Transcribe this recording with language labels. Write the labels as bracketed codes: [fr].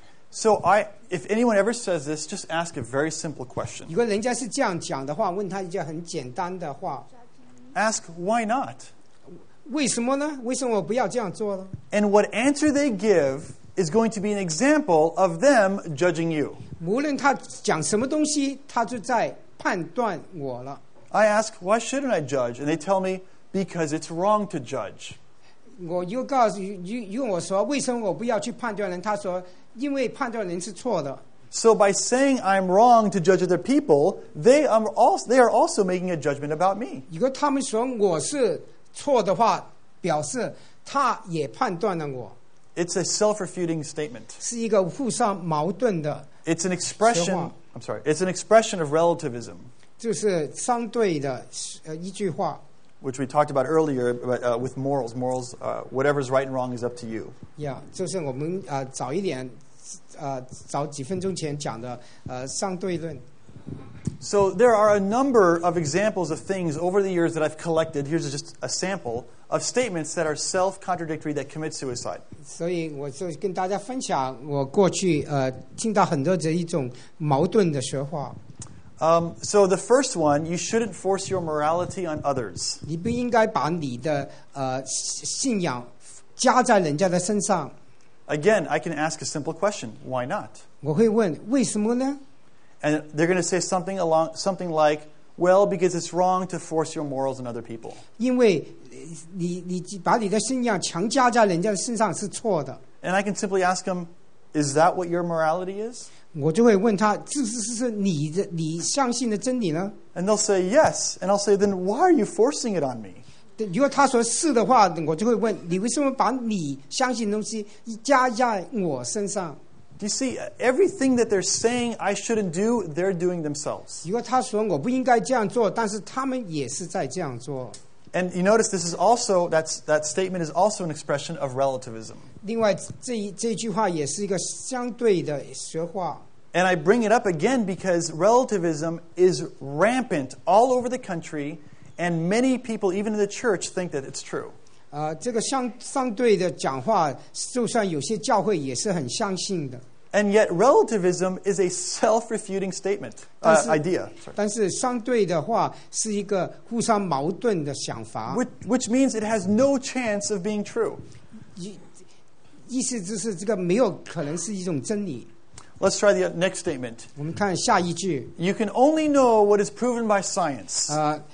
[en] So if anyone ever says this, just ask a very simple question. [zh] 如果人家是这样讲的话，问他一句很简单的话。 [en] Ask why not? [zh] 为什么呢？为什么我不要这样做呢？ [en] And what answer they give is going to be an example of them judging you. [zh] 无论他讲什么东西，他就在判断我了。 [en] I ask why shouldn't I judge, and they tell me because it's wrong to judge. [zh] 我又告诉又我说为什么我不要去判断人，他说因为判断人是错的。 [en] So by saying I'm wrong to judge other people, they are also making a judgment about me. [zh] 如果他们说我是错的话，表示他也判断了我。 [en] It's a self-refuting statement. [zh] 是一个互相矛盾的。 [en] It's an expression. I'm sorry. It's an expression of relativism. [zh] 就是相对的一句话。 [en] Which we talked about earlier, but with morals. Morals, whatever is right and wrong is up to you. [zh] Yeah, 就是我们早一点。早几分钟前讲的相对论。 [en] So there are a number of examples of things over the years that I've collected. Here's just a sample of statements that are self-contradictory that commit suicide. [zh] 所以我就跟大家分享我过去听到很多这一种矛盾的说话。 [en] So the first one, you shouldn't force your morality on others. [zh] 你不应该把你的信仰加在人家的身上。 [en] Again, I can ask a simple question. Why not? [zh] 我会问为什么呢？ [en] And they're going to say something like, well, because it's wrong to force your morals on other people. [zh] 因为你把你的信仰强加在人家身上是错的。 [en] And I can simply ask them, is that what your morality is? [zh] 我就会问他，是你相信的真理呢？ [en] And they'll say, yes. And I'll say, then why are you forcing it on me? [zh] 如果他说是的话，我就会问你为什么把你相信的东西加在我身上。 [en] Do you see everything that they're saying I shouldn't do, they're doing themselves. [zh] 如果他说我不应该这样做，但是他们也是在这样做。 [en] And you notice this is also, that statement is also an expression of relativism. [zh] 另外这句话也是一个相对的说话。 [en] And I bring it up again because relativism is rampant all over the country. And many people, even in the church, think that it's true. [zh] 这个相对的讲话，就算有些教会也是很相信的。 [en] And yet, relativism is a self-refuting statement, idea. Sorry. [zh] 但是相对的话是一个互相矛盾的想法。 [en] Which means it has no chance of being true. [zh] 意思就是这个没有可能是一种真理。 [en] Let's try the next statement. [zh] 我们看下一句。 [en] You can only know what is proven by science.